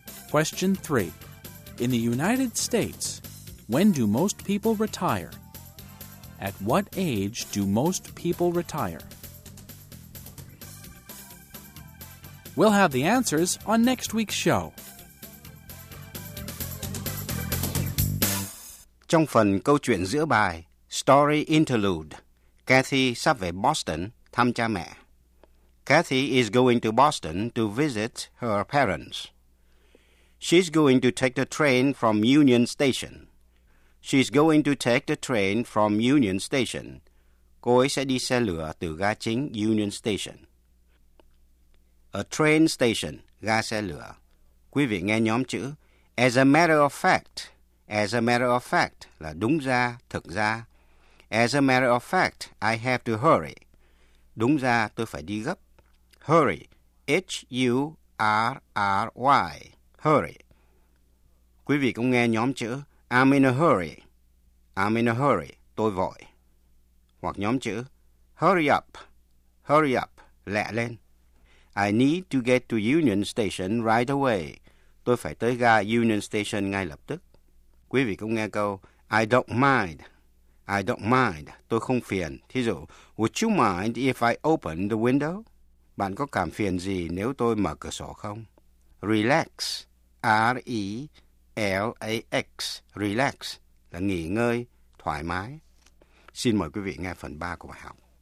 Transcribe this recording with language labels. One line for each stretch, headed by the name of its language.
English: Question 3. In the United States, when do most people retire? At what age do most people retire? We'll have the answers on next week's show.
Vietnamese: Trong phần câu chuyện giữa bài, Story Interlude, Kathy sắp về Boston thăm cha mẹ.
English: Kathy is going to Boston to visit her parents. She's going to take the train from Union Station. She's going to take the train from Union Station.
Vietnamese: Cô ấy sẽ đi xe lửa từ ga chính Union Station.
English: A train station,
Vietnamese: ga xe lửa. Quý vị nghe nhóm chữ,
English: as a matter of fact,
Vietnamese: as a matter of fact, là đúng ra, thực ra.
English: As a matter of fact, I have to hurry.
Vietnamese: Đúng ra, tôi phải đi gấp.
English: Hurry, H-U-R-R-Y, hurry.
Vietnamese: Quý vị cũng nghe nhóm chữ,
English: I'm in a hurry. I'm in a hurry.
Vietnamese: Tôi vội. Hoặc nhóm chữ
English: hurry up. Hurry up.
Vietnamese: Lẹ lên.
English: I need to get to Union Station right away.
Vietnamese: Tôi phải tới ga Union Station ngay lập tức. Quý vị cũng nghe câu
English: I don't mind. I don't mind.
Vietnamese: Tôi không phiền. Thí dụ,
English: would you mind if I open the window?
Vietnamese: Bạn có cảm phiền gì nếu tôi mở cửa sổ không?
English: Relax. R-E-L-A-X. Relax.
Vietnamese: Là nghỉ ngơi, thoải mái. Xin mời quý vị nghe phần 3 của bài học.